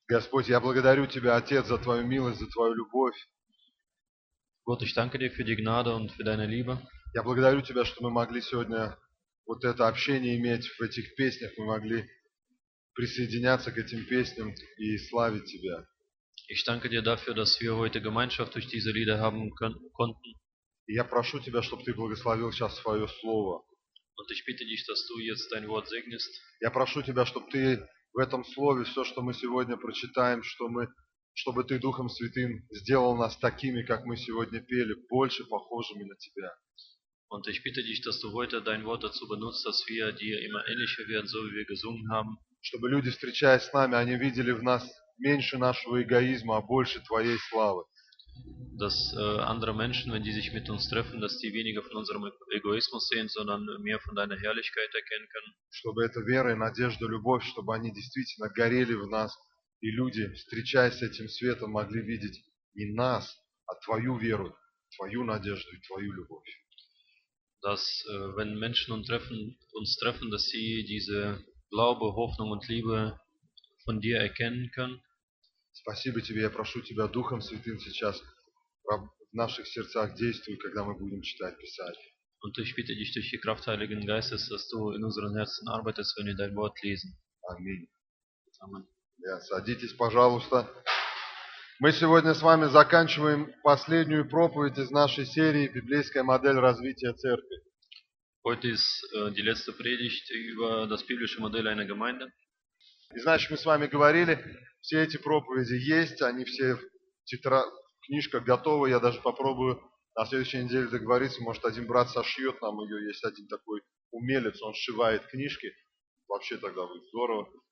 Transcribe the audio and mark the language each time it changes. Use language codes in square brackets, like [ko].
[ru] Господь, я благодарю Тебя, Отец, за Твою милость, за Твою любовь. [de] Gott, ich danke dir für die Gnade und für deine Liebe. [ru] Я благодарю Тебя, что мы могли сегодня вот это общение иметь в этих песнях, мы могли присоединяться к этим песням и славить Тебя. [de] Ich danke dir dafür, dass wir heute Gemeinschaft durch diese Lieder haben konnten. [ru] Я прошу Тебя, чтобы Ты благословил сейчас Своё Слово. [de] Und ich bitte dich, dass du jetzt dein Wort segnest. [ru] Я прошу Тебя, чтобы Ты в этом Слове все, что мы сегодня прочитаем, чтобы Ты Духом Святым сделал нас такими, как мы сегодня пели, больше похожими на Тебя. [de] Und ich bitte dich, dass du heute dein Wort dazu benutzt, dass wir dir immer ähnlicher werden, so wie wir gesungen haben. [ru] Чтобы люди, встречаясь с нами, они видели в нас меньше нашего эгоизма, а больше Твоей славы. [de] Dass andere Menschen, wenn die sich mit uns treffen, dass die weniger von unserem Egoismus sehen, sondern mehr von deiner Herrlichkeit erkennen können. [ru] Чтобы эта вера и надежда, любовь, чтобы они действительно горели в нас, и люди, встречаясь с этим светом, могли видеть не нас, а Твою веру, Твою надежду и Твою любовь. [de] Dass wenn Menschen uns treffen, dass sie diese Glaube, Hoffnung und Liebe von dir erkennen können. [ru] Спасибо Тебе, я прошу Тебя Духом Святым сейчас в наших сердцах действуй, когда мы будем читать Писание. [de] Und ich bitte dich durch die Kraft Heiligen Geistes, dass du in unseren Herzen arbeitest, wenn wir dein Wort lesen. [ru] Аминь. Аминь. Да, садитесь, пожалуйста. Мы сегодня с вами заканчиваем последнюю проповедь из нашей серии «Библейская модель развития церкви». [de] Heute ist die letzte Predigt über das biblische Modell einer Gemeinde. [ru] И значит, мы с вами говорили, все эти проповеди есть, они все, книжка готова, я даже попробую на следующей неделе договориться, может, один брат сошьет нам ее, есть один такой умелец, он сшивает книжки, вообще тогда будет здорово.